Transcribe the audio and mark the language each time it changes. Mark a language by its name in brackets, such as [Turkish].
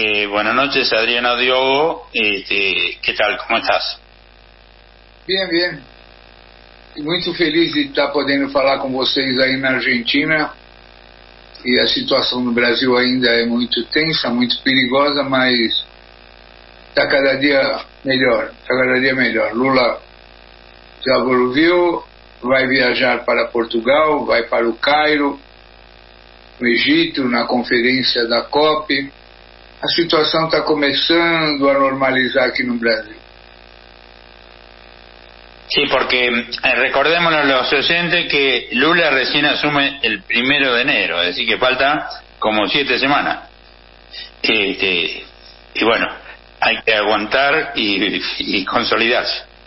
[Spanish] Buenas noches, Adriano Diogo, ¿qué tal, cómo estás? Bien, bien. [Portuguese] Muito feliz de estar podendo falar com vocês aí na Argentina. E a situação no Brasil ainda é muito tensa, muito perigosa, mas está cada dia melhor, está cada dia melhor. Lula já evoluiu, vai viajar para Portugal, vai para o Cairo, no Egito, na conferência da COP. A situação está começando a normalizar aqui no Brasil. [Spanish] Sí, porque recordémonos los oyentes que Lula recién asume el primero de enero, es decir, que falta como 7 semanas. Y bueno, hay que aguantar y consolidarse.